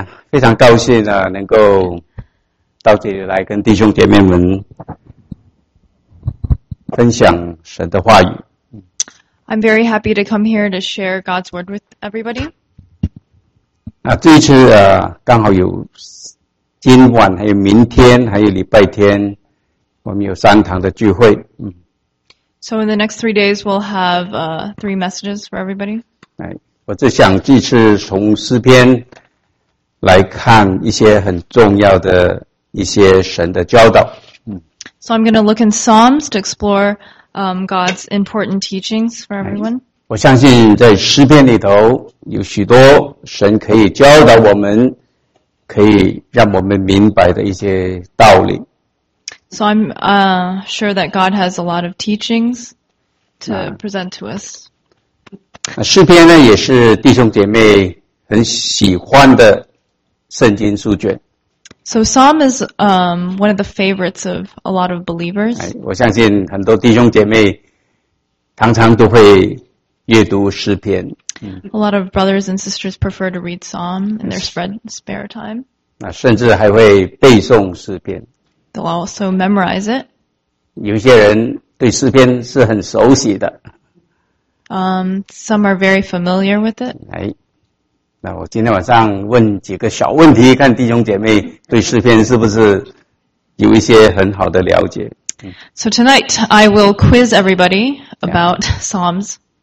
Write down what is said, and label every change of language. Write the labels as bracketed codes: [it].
[zh] 非常高兴啊，能够到这里来跟弟兄姐妹们分享神的话语。 [en] I'm very happy to come here to share God's word with everybody. [zh] 这一次刚好有今晚还有明天还有礼拜天，我们有三堂的聚会。 [en] So in the next 3 days, we'll have three messages for everybody. [zh] 我只想这次从诗篇来看一些很重要的一些神的教导。 [en] So I'm going to look in Psalms to explore God's important teachings for everyone. [zh] 我相信在诗篇里头有许多神可以教导我们，可以让我们明白的一些道理。 [en] So I'm sure that God has a lot of teachings to present to us. [zh] 诗篇呢也是弟兄姐妹很喜欢的圣经书卷。 [en] So Psalm is one of the favorites of a lot of believers. [zh] 我相信很多弟兄姐妹常常都会阅读诗篇。 [en] A lot of brothers and sisters prefer to read Psalm in their spare time. [zh] 甚至还会背诵诗篇。 [en] They'll also memorize it. [zh] 有些人对诗篇是很熟悉的。 [en] Some are very familiar with it. [zh] 那我今天晚上问几个小问题，看弟兄姐妹对诗篇是不是有一些很好的了解。 [en] So tonight I will quiz everybody about Psalms.